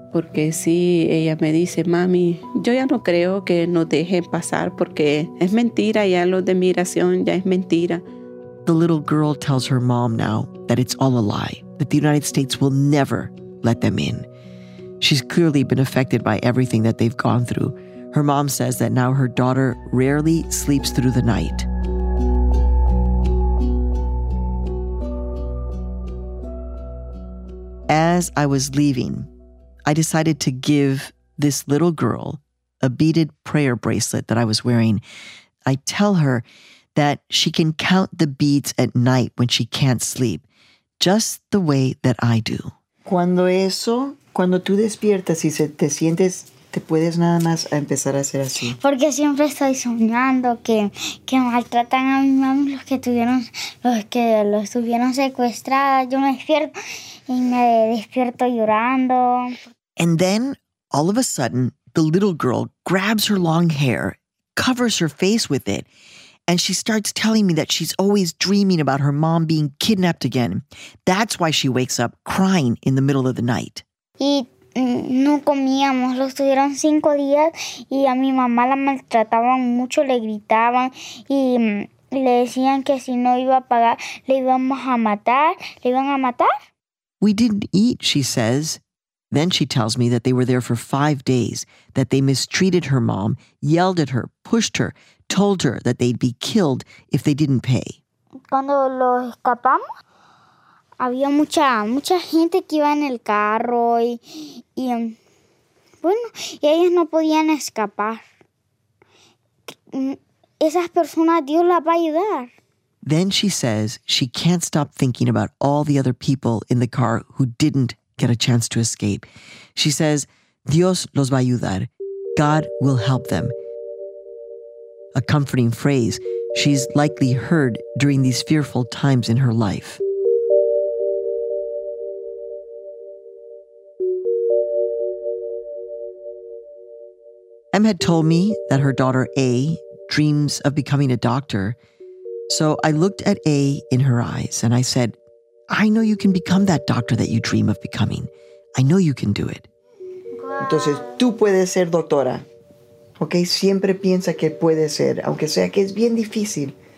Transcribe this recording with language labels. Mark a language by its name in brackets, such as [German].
[Spanish] Porque sí, ella me dice, mami, yo ya no creo que nos dejen pasar porque es mentira, ya lo de migración ya es mentira. [English] The little girl tells her mom now that it's all a lie, that the United States will never let them in. She's clearly been affected by everything that they've gone through. Her mom says that now her daughter rarely sleeps through the night. As I was leaving, I decided to give this little girl a beaded prayer bracelet that I was wearing. I tell her that she can count the beads at night when she can't sleep, just the way that I do. [Spanish] Cuando eso, cuando tú despiertas y se te sientes, te puedes nada más a empezar a hacer así. Porque siempre estoy soñando que maltratan a mi mamá los que los tuvieron secuestradas. Yo me despierto y me despierto llorando. [English] And then, all of a sudden, the little girl grabs her long hair, covers her face with it, and she starts telling me that she's always dreaming about her mom being kidnapped again. That's why she wakes up crying in the middle of the night. [Spanish] Y no comíamos, los tuvieron 5 días, y a mi mamá la maltrataban mucho, le gritaban, y le decían que si no iba a pagar, le íbamos a matar, le iban a matar. [English] We didn't eat, she says. Then she tells me that they were there for 5 days, that they mistreated her mom, yelled at her, pushed her, told her that they'd be killed if they didn't pay. [Spanish] Cuando lo escapamos, había mucha gente que iba en el carro y bueno, y ellos no podían escapar. Esas personas, Dios las va a ayudar. [English] Then she says she can't stop thinking about all the other people in the car who didn't get a chance to escape. She says, [Spanish] Dios los va a ayudar. [English] God will help them. A comforting phrase she's likely heard during these fearful times in her life. Em had told me that her daughter A dreams of becoming a doctor. So I looked at A in her eyes and I said, I know you can become that doctor that you dream of becoming. I know you can do it. [Spanish] Entonces, tú puedes ser doctora. Okay, siempre piensa que puedes ser, aunque sea que es bien difícil.